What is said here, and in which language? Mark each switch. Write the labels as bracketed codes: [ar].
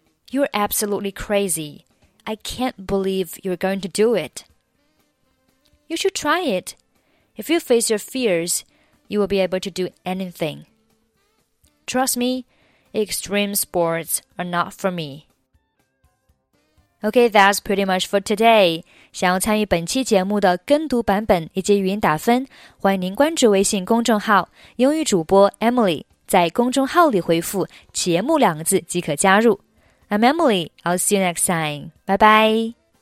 [en] You're absolutely crazy. I can't believe you're going to do it. You should try it. If you face your fears, you will be able to do anything. Trust me, extreme sports are not for me. Okay, that's pretty much for today. [zh] 想要参与本期节目的跟读版本以及语音打分，欢迎您关注微信公众号英语主播 Emily。在公众号里回复节目两个字即可加入。 [en] I'm Emily, I'll see you next time. Bye bye.